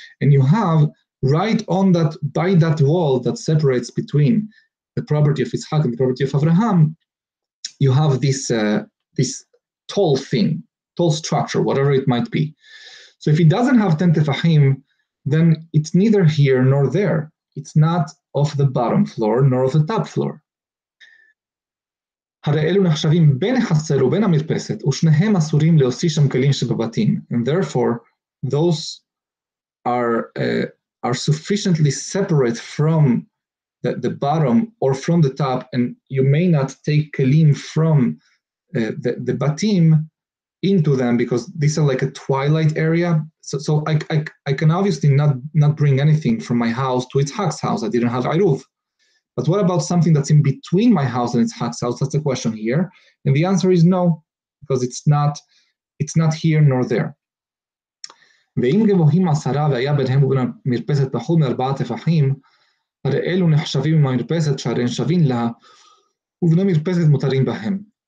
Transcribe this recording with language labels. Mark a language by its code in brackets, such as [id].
[en] And you have right on that, by that wall that separates between the property of Isaac and the property of Abraham, you have this this tall thing, tall structure, whatever it might be. So if it doesn't have ten tefachim, then it's neither here nor there. It's not of the bottom floor nor of the top floor. [he] הרי אלו נחשבים בין החסר ובין המרפסת, ושניהם אסורים להוציא שם כלים שבבתים. [en] And therefore, those are sufficiently separate from the bottom or from the top, and you may not take kelim from the batim into them, because these are like a twilight area. So I can obviously not bring anything from my house to Itzhak's house. I didn't have Iruv. But what about something that's in between my house and Itzhak's house? That's the question here. And the answer is no, because it's not here nor there. [he] ואם גבוהים עשרה והיה ביניהם ובין המרפסת פחות מארבעה תפחים, הרי אלו נחשבים עם המרפסת שהרי נשבים לה, ובני מרפסת מותרים בהם.